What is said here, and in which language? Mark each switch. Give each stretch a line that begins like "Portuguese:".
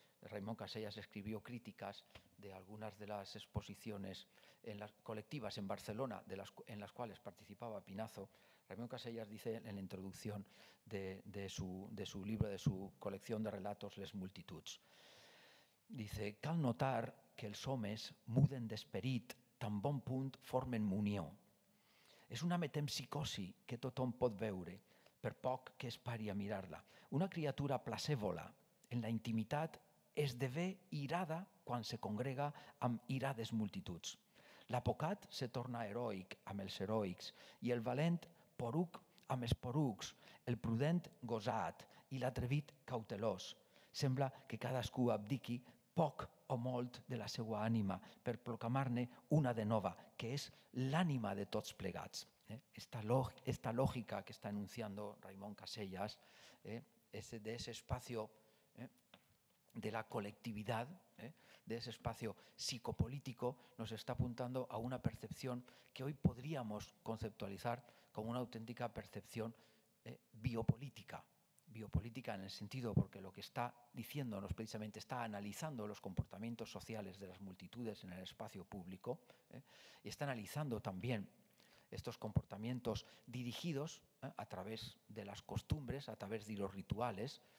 Spanish: Raymond Casellas escribió críticas de algunas de las exposiciones colectivas en Barcelona, en las cuales participaba Pinazo. Raymond Casellas dice en la introducción de su libro, de su colección de relatos, Les Multitudes. Dice:
Catalan: «Cal notar que els homes muden d'esperit tan bon punt formen munió. És una metempsicosi que tothom pot veure, per poc que es pari a mirar-la. Una criatura placèvola en la intimitat esdevé irada quan se congrega amb irades multituds. L'apocat se torna heroic amb els heroics i el valent poruc amb els porucs, el prudent gosat i l'atrevit cautelós. Sembla que cadascú abdiqui poc o molt de la seva ànima per proclamar-ne una de nova, que és l'ànima de tots plegats».
Spanish: Esta lògica que està enunciando Raymond Casellas, de ese espacio... de la colectividad, de ese espacio psicopolítico, nos está apuntando a una percepción que hoy podríamos conceptualizar como una auténtica percepción biopolítica. Biopolítica en el sentido porque lo que está diciéndonos precisamente está analizando los comportamientos sociales de las multitudes en el espacio público, y está analizando también estos comportamientos dirigidos a través de las costumbres, a través de los rituales.